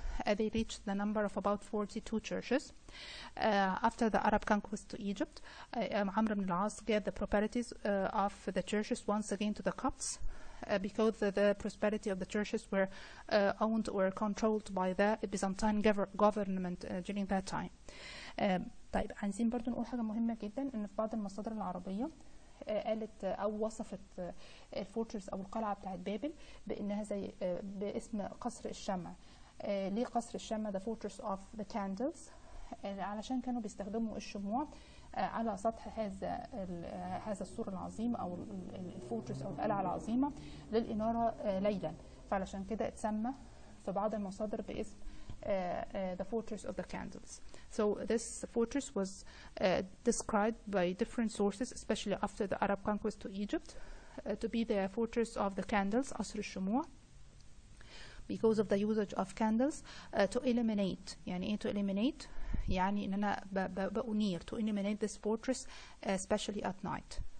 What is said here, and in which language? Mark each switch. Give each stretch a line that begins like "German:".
English: They reached the number of about 42 churches. After the Arab conquest to Egypt, Amr ibn al-As gave the properties of the churches once again to the Copts, because the prosperity of the churches were owned or controlled by the Byzantine government during that time.
Arabic: طيب عايزين برضو نقول حاجة مهمة جدا إن في بعض المصادر العربية قالت أو وصفت الفورترس أو القلعة بتاعت بابل بأنها زي باسم قصر الشمع. ليه قصر الشمع
English: the fortress of the candles؟
Arabic: علشان كانوا بيستخدموا الشموع على سطح هذا السور العظيم او الفورترس او القلعه العظيمه للاناره ليلا، فعلشان كده اتسمى في بعض المصادر باسم the fortress of the candles.
English: So this fortress was described by different sources, especially after the Arab conquest to Egypt, to be the fortress of the candles,
Arabic: قصر الشموع.
English: Because of the usage of candles to eliminate,
Arabic: يعني إيه
English: to eliminate؟
Arabic: يعني إن أنا بأنير
English: to eliminate this fortress especially at night.